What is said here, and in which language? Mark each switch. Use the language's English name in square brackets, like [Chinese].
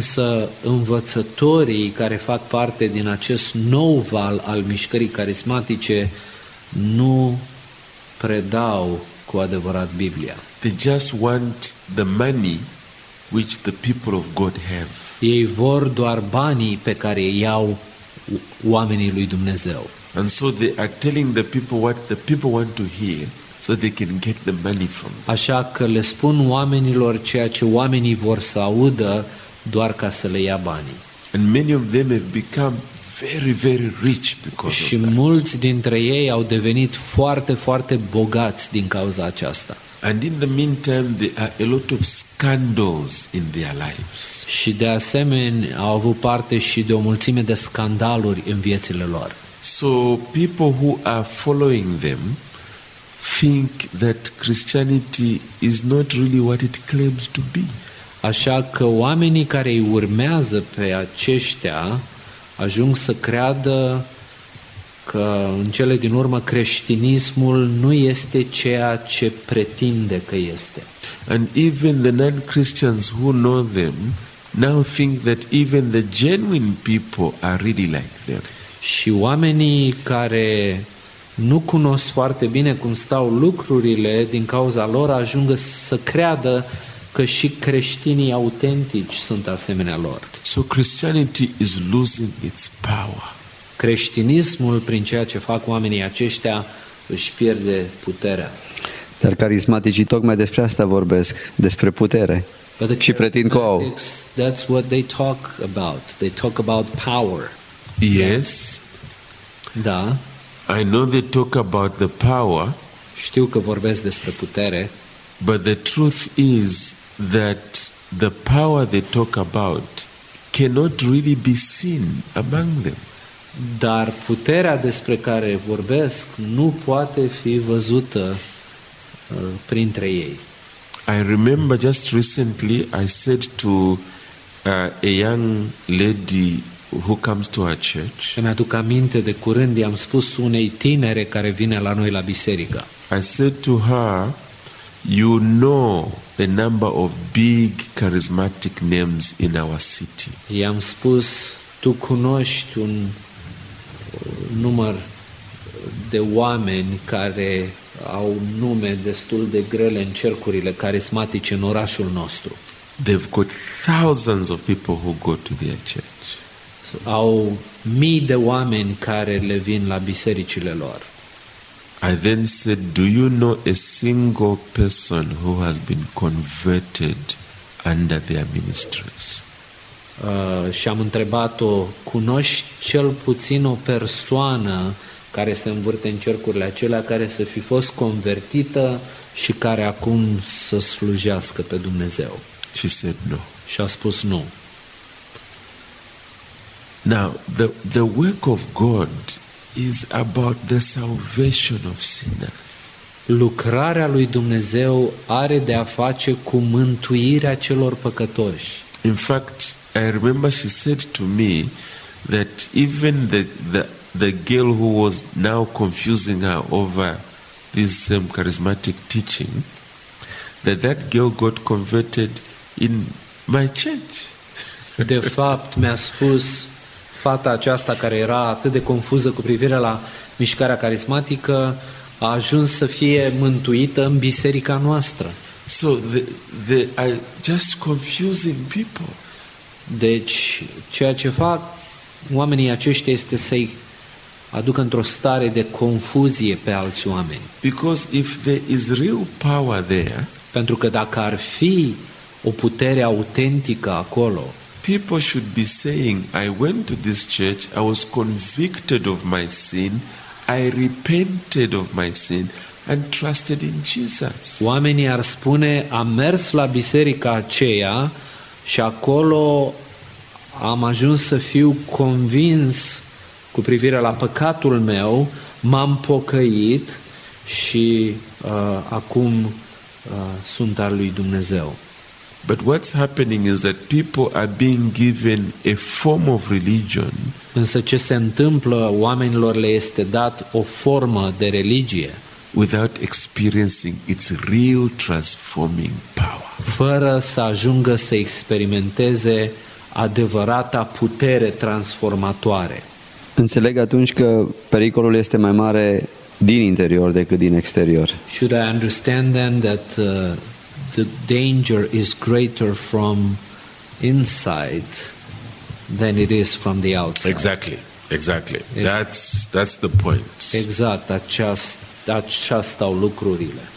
[Romanian] Însă învățătorii care fac parte din acest nou val al mișcării carismatice nu predau cu adevărat Biblia. [English] They just want the money which the people of God have. [Romanian] Ei vor doar banii pe care îi iau oamenii lui Dumnezeu. [English] And so they are telling the people what the people want to hear so they can get the money from them. [Romanian] Așa că le spun oamenilor ceea ce oamenii vor să audă doar ca să le ia banii. [English] And many of them have become very very rich because of that. [Romanian] Și mulți dintre ei au devenit foarte foarte bogați din cauza aceasta. [English] And in the meantime there are a lot of scandals in their lives. [Romanian] Și de asemenea au avut parte și de o mulțime de scandaluri în viețile lor. [English] So people who are following them think that Christianity is not really what it claims to be. [Romanian] Așa că oamenii care îi urmează pe aceștia ajung să creadă că în cele din urmă creștinismul nu este ceea ce pretinde că este. [English] And even the non-Christians who know them now think that even the genuine people are really like them. [Romanian] Și oamenii care nu cunosc foarte bine cum stau lucrurile, din cauza lor ajung să creadă că și creștinii autentici sunt asemenea lor. [English] So Christianity is losing its power. [Romanian] Creștinismul, prin ceea ce fac oamenii aceștia, își pierde puterea. Dar carismaticii tocmai despre asta vorbesc, despre putere. Și pretind că au. [English] That's what they talk about. They talk about power. Yes. [Romanian] Da. [English] I know they talk about the power. [Romanian] Știu că vorbesc despre putere. [English] But the truth is that the power they talk about cannot really be seen among them. [Romanian] Dar puterea despre care vorbesc nu poate fi văzută printre ei. [English] I remember just recently I said to a young lady who comes to our church. [Romanian] Îmi aduc aminte de curând i-am spus unei tinere care vine la noi la biserică. [English] I said to her, you know the number of big charismatic names in our city. [Romanian] I-am spus, tu cunoști un număr de oameni care au nume destul de grele în cercurile carismatice în orașul nostru. [English] They've got thousands of people who go to their church. [Romanian] Au mii de oameni care le vin la bisericile lor. [English] I then said, do you know a single person who has been converted under their ministries? [Romanian] Și am întrebat-o, cunoști cel puțin o persoană care se învârte în cercurile acelea, care să fi fost convertită și care acum să slujească pe Dumnezeu? [English] She said no. [Romanian] Și a spus nu. [English] Now, the work of God is about the salvation of sinners. [Romanian] Lucrarea lui Dumnezeu are de a face cu mântuirea celor păcătoși. [English] In fact, I remember she said to me that even the girl who was now confusing her over this charismatic teaching, that girl got converted in my church. [Romanian] De fapt, mi-a spus fata aceasta care era atât de confuză cu privire la mișcarea carismatică a ajuns să fie mântuită în biserica noastră. [English] So they are just confusing people. [Romanian] Deci ceea ce fac oamenii aceștia este să-i aducă într-o stare de confuzie pe alți oameni. [English] Because if there is real power there, [Romanian] pentru că dacă ar fi o putere autentică acolo, [English] people should be saying, I went to this church, I was convicted of my sin, I repented of my sin and trusted in Jesus. [Romanian] Oamenii ar spune, am mers la biserica aceea și acolo am ajuns să fiu convins cu privire la păcatul meu, m-am pocăit și acum sunt al lui Dumnezeu. [English] But what's happening is that people are being given a form of religion. [Romanian] Însă ce se întâmplă, oamenilor le este dat o formă de religie. [English] Without experiencing its real transforming power. [Romanian] Fără să ajungă să experimenteze adevărata putere transformatoare. Înțeleg atunci că pericolul este mai mare din interior decât din exterior. [English] Should I understand then that the danger is greater from inside than it is from the outside. Exactly, exactly. That's the point. [Romanian] Exact, aceasta au lucrurile.